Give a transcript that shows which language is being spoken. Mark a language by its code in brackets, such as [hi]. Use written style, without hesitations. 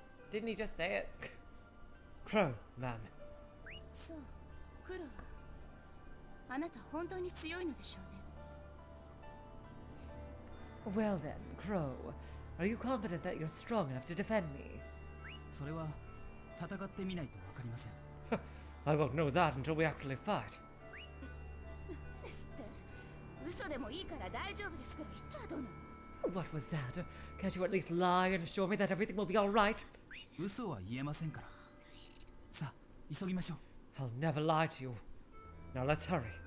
[en] Didn't he just say it? Crow, ma'am. [ja] So, Crow. Anata, hontou ni tsuyoi no deshou ne? [en] Well then, Crow, are you confident that you're strong enough to defend me? [ja] それは戦ってみないとわかりません。 [en] I won't know that until we actually fight. [ja] なんですって。嘘でもいいから大丈夫ですけど、言ったらどうなの? [en] What was that? Can't you at least lie and assure me that everything will be alright? [ja] 嘘は言えませんから。さあ、急ぎましょう。 [en] I'll never lie to you. Now let's hurry.